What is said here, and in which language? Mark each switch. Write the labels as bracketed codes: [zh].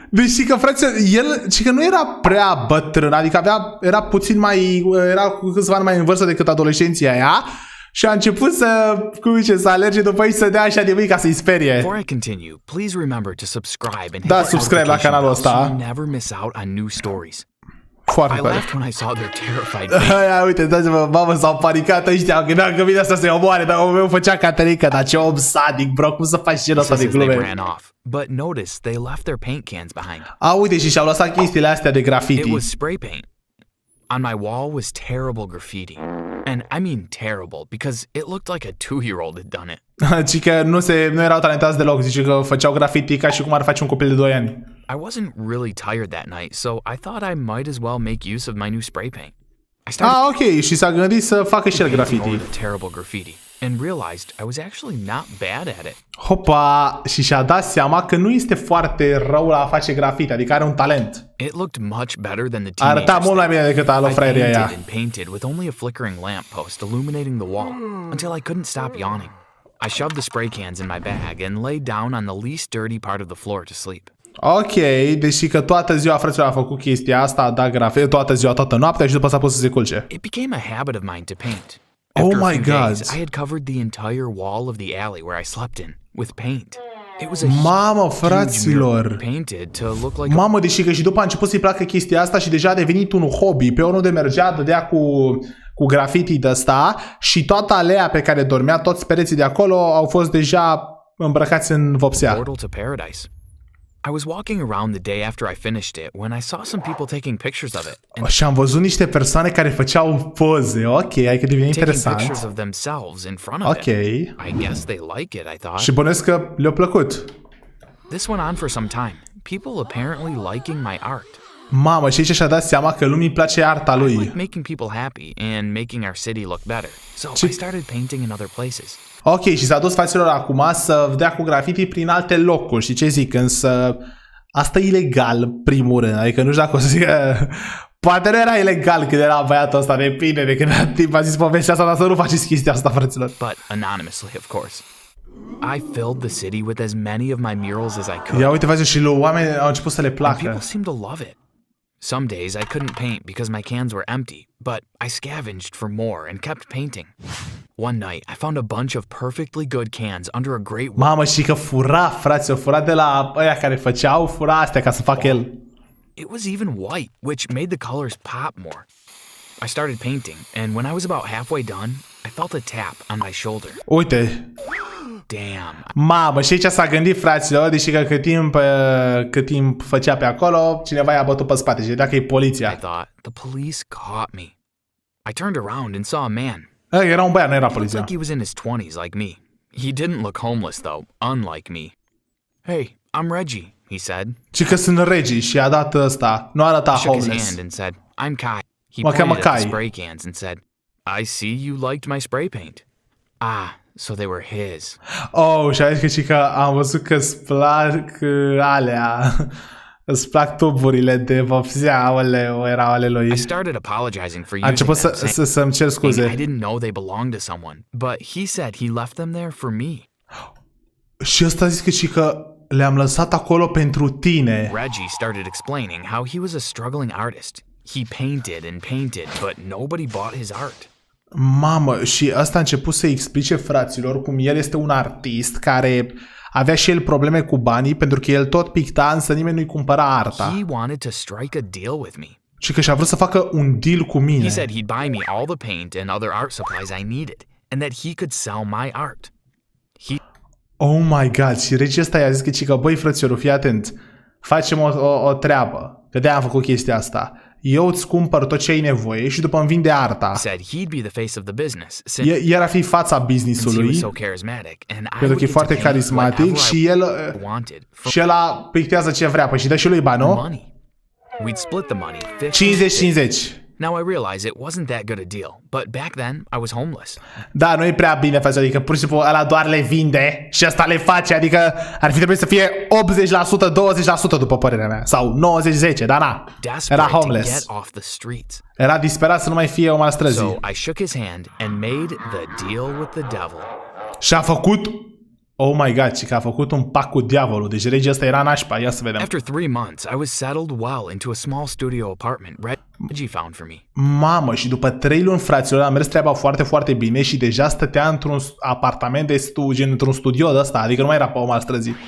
[ro] Deci știi că, frate, el știi că nu era prea bătrân, adică avea, era puțin mai, era cu câțiva ani mai în vârstă decât adolescenția aia. Și a început să, cum zice, să alerge după aici să dea așa de mic ca să-i sperie. [en] Before I continue, please remember to subscribe and hit the subscribe [ro] la canalul ăsta. [en] So you never miss out on new stories. [ro] Foarte bine. [en] I left when I saw their terrified face. [ro] Ia uite, dați-vă, mamă, s-au panicat ăștia, credeam că vine asta să-i omoare, dar omul meu făcea caterică, dar ce om sadic, bro, cum să faci genul ăsta de glume? [en] But notice, they left their paint cans behind. [ro] A, uite, și și-au lăsat chestiile astea de graffiti. [en] It was spray paint. On my wall was terrible graffiti. And I mean terrible, because it looked like a 2-year-old had done it. [ro] Cică nu erau talentați deloc, zice că făceau graffiti ca și cum ar face un copil de 2 ani. [en] I wasn't really tired that night, so I thought I might as well make use of my new spray paint. I started... [ro] Ah, okay, și s-a gândit să facă și el graffiti. [en] Terrible graffiti. And realized I was actually not bad at it. [ro] Hopa, și și-a dat seama că nu este foarte rău la a face graffiti, adică are un talent. [en] It looked much better than the teenagers. [ro] Arăta mult mai bine decât alo fraieria aia. [en] I painted with only a flickering lamp post illuminating the wall until I couldn't stop yawning. I shoved the spray cans in my bag and lay down on the least dirty part of the floor to sleep. [ro] Ok, deși că toată ziua, fraților, a făcut chestia asta, a dat grafie toată ziua, toată noaptea și după s-a pus să se culce. [en] It became a habit of mine to paint. After oh my god. I had covered the entire wall of the alley where I slept in with paint. It was a [ro] mamă, fraților. [en] Painted to look like [ro] mamă, deși că și după a început să-i placă chestia asta și deja a devenit un hobby. Pe oriunde mergea, dădea cu graffiti de ăsta și toată aleea pe care dormea, toți pereții de acolo au fost deja îmbrăcați în vopsea. [en] Portal to paradise. I was walking around the day after I finished it when I saw some people taking pictures of it. [ro] Și am văzut niște persoane care făceau poze. Ok, ai că devine interesant. [en] Taking pictures of themselves in front of okay. it. I guess they like it, I thought. [ro] Și bănesc că le-a plăcut. [en] This went on for some time. People apparently liking my art. [ro] Mamă, și aici și-a dat seama că lumii place arta lui. [en] I like making people happy and making our city look better. So I started painting in other places. [ro] Ok, și s-a dus fraților acum să dea cu graffiti prin alte locuri. Și ce zic, însă asta e ilegal, primul rând. Adică nu știu dacă o să zic, poate nu era ilegal când era băiatul ăsta de pine, de când a timp a zis povestea asta, dar să nu faceți chestia asta, fraților. [en] But anonymously, of course. I filled the city with as many of my murals as I could. [ro] Ia uite, fraților, și lui oameni au început să le placă. [en] And people seemed to love it. Some days I couldn't paint because my cans were empty, but I scavenged for more and kept painting. One night, I found a bunch of perfectly good cans under a great wall. [ro] Mamă, și că fura, frate, o fura de la ăia care făceau, fura astea ca să facă el. [en] It was even white, which made the colors pop more. I started painting, and when I was about halfway done, I felt a tap on my shoulder. [ro] Uite. [en] Damn. [ro] Mamă, și ce s-a gândit, fraților, deși că cât timp făcea pe acolo, cineva i-a bătut pe spate, și dacă e poliția. [en] I thought, the police caught me. I turned around and saw a man. [ro] Era un băiat, nu era poliția. [en] He was in his 20s like me. He didn't look homeless though, unlike me. Hey, I'm Reggie, he said. [ro] Și că sunt Reggie și a dat ăsta, nu arăta homeless. [en] Shook his hand and said, I'm Kai. He pointed at the spray cans and said, I see you liked my spray paint. Ah, so they were his. [ro] Oh, și a zis că și că am văzut că îți plac alea. Îți plac tuburile de vopsea, aoleu, erau ale lui. [en] I started apologizing for [ro] a început să-mi cer scuze. [en] I didn't know they belonged to someone, but he said he left them there for me. [ro] Și ăsta zice că le-am lăsat acolo pentru tine. [en] Reggie started explaining how he was a struggling artist. He painted and painted, but nobody bought his art. [ro] Mamă, și ăsta a început să explice fraților cum el este un artist care avea și el probleme cu banii pentru că el tot picta, însă nimeni nu-i cumpăra arta. [en] He wanted to strike a deal with me. [ro] Și că și-a vrut să facă un deal cu mine. [en] He said he'd buy me all the paint and other art supplies I needed and that he could sell my art. He... Oh my god, [ro] și regia asta i-a zis că băi frățiorul, fii atent, facem o treabă, că de-aia am făcut chestia asta. Eu îți cumpăr tot ce ai nevoie și după îmi vinde arta. [en] Said he'd be the face of the business, [ro] iar a fi fața business-ului, pentru că e foarte carismatic și el pictează ce vrea, păi și dă și lui bani, nu? [en] 50-50. Now I realize it wasn't that good a deal, but back then I was homeless. [ro] Da, nu e prea bine, frate, adică pur și simplu ăla doar le vinde și ăsta le face, adică ar fi trebuit să fie 80%, 20% după părerea mea, sau 90-10, dar na, era homeless. Era disperat să nu mai fie om al străzii. [en] So I shook his hand and made the deal with the devil. [ro] Și a făcut, [en] oh my god, [ro] și că a făcut un pact cu diavolul, deci regia asta era nașpa, ia să vedem. [en] After 3 months, I was settled well into a small studio apartment, Reggie found for me. [ro] Mamă, și după 3 luni, fraților, a mers treaba foarte, foarte bine și deja stătea într-un apartament de studiu, într-un studio de ăsta, adică nu mai era pe om al străzii.